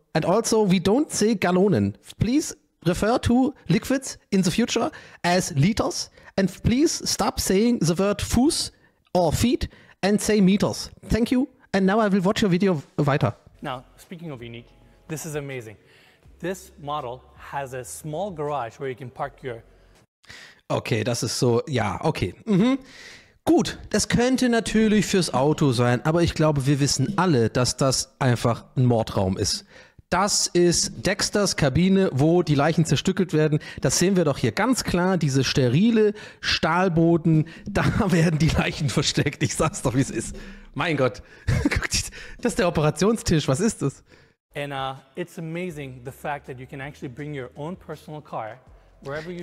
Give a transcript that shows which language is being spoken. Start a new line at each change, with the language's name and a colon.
English: And also, we don't say gallonen. Please refer to liquids in the future as liters, and please stop saying the word Fuß or feet and say meters. Thank you. And now I will watch your video weiter. Now, speaking of unique, this is amazing. This model has a small garage where you can park your...
German: Okay, das ist so, ja, okay. Mhm. Gut, das könnte natürlich fürs Auto sein, aber ich glaube, wir wissen alle, dass das einfach ein Mordraum ist. Das ist Dexters Kabine, wo die Leichen zerstückelt werden. Das sehen wir doch hier ganz klar, diese sterile Stahlboden, da werden die Leichen versteckt. Ich sag's doch, wie es ist. Mein Gott, das ist der Operationstisch, was ist das?
English: And it's amazing the fact that you can actually bring your own personal car wherever you...